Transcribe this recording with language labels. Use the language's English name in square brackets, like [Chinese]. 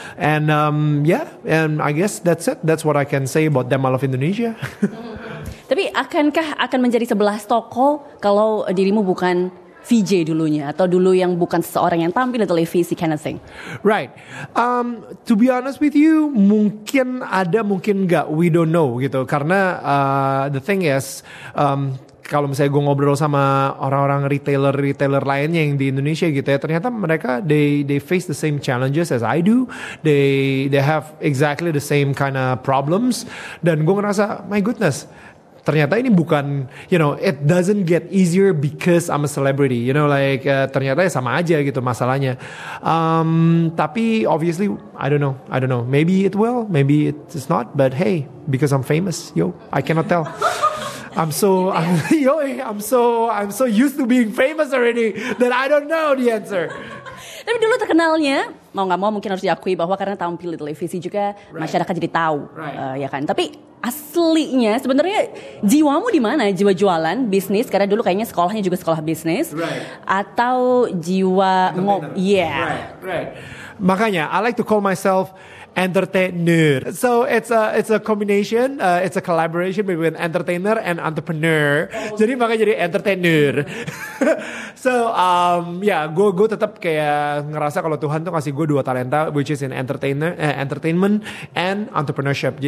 [English] And and I guess that's it, that's what I can say about Jam I Love Indonesia. [Indonesian] Tapi akankah akan menjadi 11 toko kalau dirimu bukan VJ dulunya, atau dulu yang bukan seseorang yang tampil di televisi [English] kind of thing? Right. To be honest with you, [Indonesian] mungkin ada, mungkin enggak. [English] We don't know gitu. [Indonesian] Karena [English] the thing is, [Indonesian] kalau misalnya gue ngobrol sama orang-orang retailer lainnya yang di Indonesia gitu ya, ternyata mereka [English] they face the same challenges as I do. They have exactly the same kind of problems. [Indonesian] Dan gue ngerasa, [English] my goodness, [Indonesian] ternyata ini bukan, [English] it doesn't get easier because I'm a celebrity. [Indonesian] Ternyata ya sama aja gitu masalahnya. [English] Tapi obviously, I don't know. Maybe it will, maybe it's not. But hey, because I'm famous, yo, I cannot tell. I'm so used to being famous already that I don't know the answer. [Indonesian] Tapi dulu terkenalnya, mau gak mau mungkin harus diakui bahwa karena tampil di televisi juga, right, masyarakat jadi tahu, right, ya kan. Tapi aslinya sebenarnya jiwamu di mana? Jiwa jualan, bisnis, karena dulu kayaknya sekolahnya juga sekolah bisnis, [English] right, [Indonesian] atau jiwa [English] Right. Makanya I like to call myself entertainer. So it's a combination, it's a collaboration between entertainer and entrepreneur. [Indonesian] Jadi makanya jadi entertainer. So gue tetap kayak ngerasa kalau Tuhan tuh ngasih gue dua talenta, [English] which is in entertainment and entrepreneurship.